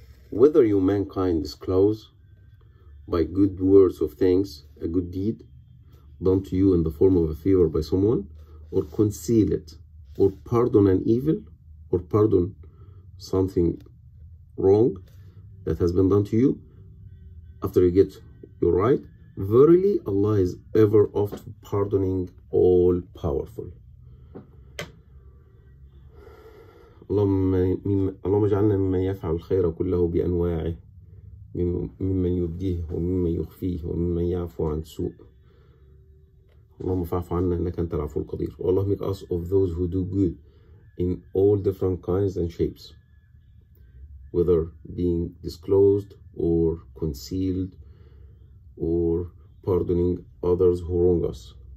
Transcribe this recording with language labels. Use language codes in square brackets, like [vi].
[en] Whether you mankind disclose by good words of thanks a good deed done to you in the form of a favor by someone, or conceal it, or pardon an evil, or pardon something wrong that has been done to you after you get your right, verily Allah is ever oft pardoning, all powerful. [ar] اللهم اجعلنا ممن يفعل الخير كله بأنواعه, ممن يبديه وممن يخفيه وممن يعفو عن سوء. اللهم فاعف عنا انك انت العفو القدير. [en] اللهم make us of those who do good in all different kinds and shapes, whether being disclosed or concealed or pardoning others who wrong us.